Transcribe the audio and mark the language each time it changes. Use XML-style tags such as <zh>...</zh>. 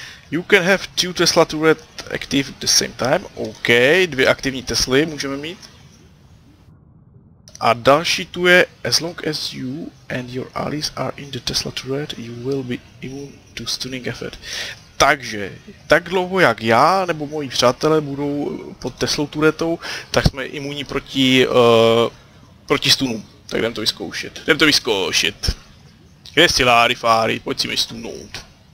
<en>You can have two Tesla turret active at the same time, OK.</en> <cs>Dvě aktivní Tesly můžeme mít. A další tu je,</cs> <en>as long as you and your allies are in the Tesla turret, you will be immune to stunning effect.</en> <cs>Takže, tak dlouho jak já nebo moji přátelé budou pod Teslou turetou, tak jsme imunní proti, proti stunům. Tak jdem to vyzkoušet. Jdem to vyzkoušet. Kde jsi Larry Fary? Pojď si mi stunout.</cs>